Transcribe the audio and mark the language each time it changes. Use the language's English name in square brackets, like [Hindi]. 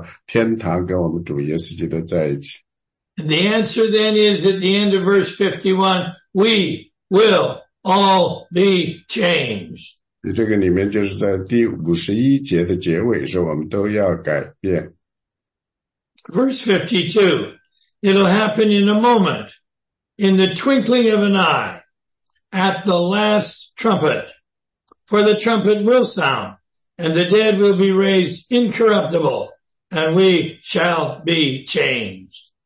[Chinese] 这里面的教导呢，就是说呢，在这里描述的，就是说我们被称之为教会被提，教会被提呢，就是在这个特别的时候呢，所有的基督徒呢都会被那个从地上提起来，去到天堂跟我们主耶稣基督在一起。 [English] The answer then is at the end of verse 51, we will all be changed. [Chinese] 这个里面就是在第51节的结尾，是我们都要改变。 [English] Verse 52, it'll happen in a moment, in the twinkling of an eye, at the last trumpet. For the trumpet will sound, and the dead will be raised incorruptible, and we shall be changed.